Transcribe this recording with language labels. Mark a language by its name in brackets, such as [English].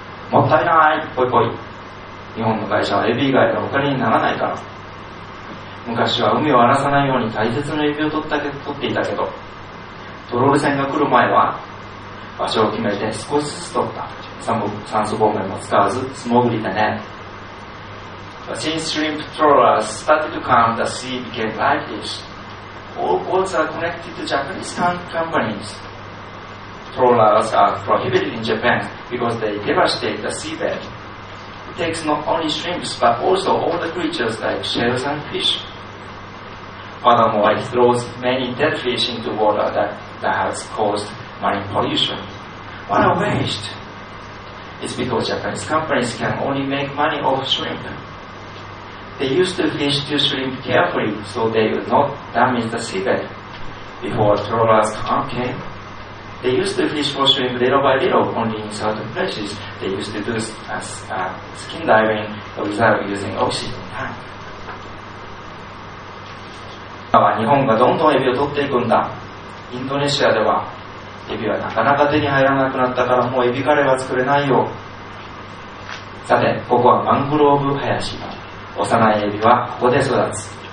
[Japanese] もったいない、ポイポイ。日本の会社はエビ以外がお金にならないから。昔は海を荒らさないように大切なエビを取っていたけど、トロール船が来る前は場所を決めて少しずつ取った。酸素ボンベも使わず素潜りでね。 [English] But since shrimp trawlers started to come, the sea became like this. All boats are connected to Japanese companies. Trawlers are prohibited in Japan because they devastate the seabed. It takes not only shrimps but also all the creatures like shells and fishFurthermore, it throws many dead fish into water that has caused marine pollution. What a waste! It's because Japanese companies can only make money off shrimp. They used to fish two shrimp carefully so they would not damage the seabed. Before trawlers came, They used to fish for shrimp little by little, only in certain places. They used to do skin diving without using oxygen tank. [Japanese] 今は日本がどんどんエビを取っていくんだ。インドネシアではエビはなかなか手に入らなくなったからもうエビカレーは作れないよ。さて、ここはマングローブ林だ。幼いエビはここで育つ。